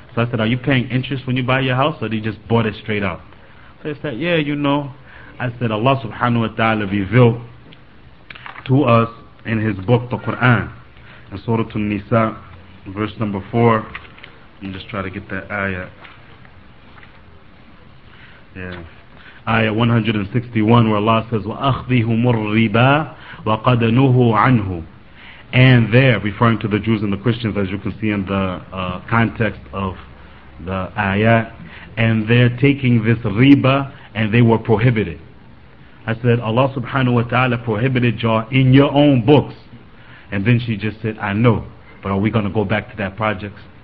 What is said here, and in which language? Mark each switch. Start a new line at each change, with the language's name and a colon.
English: So I said, are you paying interest when you buy your house, or did you just bought it straight out? So they said, yeah, you know. I said, Allah subhanahu wa ta'ala revealed to us in his book, the Quran, in Surah An-Nisa, verse number 4. Let me just try to get that ayah. Yeah. Ayah 161, where Allah says,
Arabic: وَأَخْذِهُمُ الرِّبَى وَقَدْ نُهُوا عَنْهُ.
English: And there, referring to the Jews and the Christians, as you can see in the context of the ayah, and they're taking this riba, and they were prohibited. I said, Allah subhanahu wa ta'ala prohibited y'all in your own books. And then she just said, I know, but are we going to go back to that project?